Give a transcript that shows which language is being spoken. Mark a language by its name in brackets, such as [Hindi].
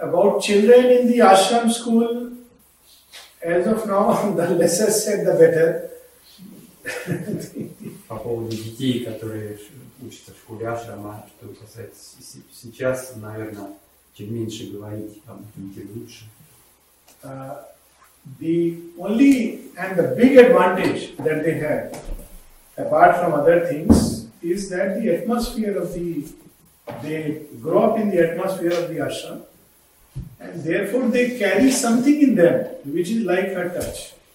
[English] About children in the ashram school, as of now, the lesser said, the better. [Russian] По поводу детей, которые учатся в школе ашрама, что касается сейчас, наверное, чем меньше говорить об этом, тем лучше. [English] The only and the big advantage that they have, apart from other things, is that the atmosphere of the... They grow up in the atmosphere of the ashram, and therefore they carry something in them, which is like a touch.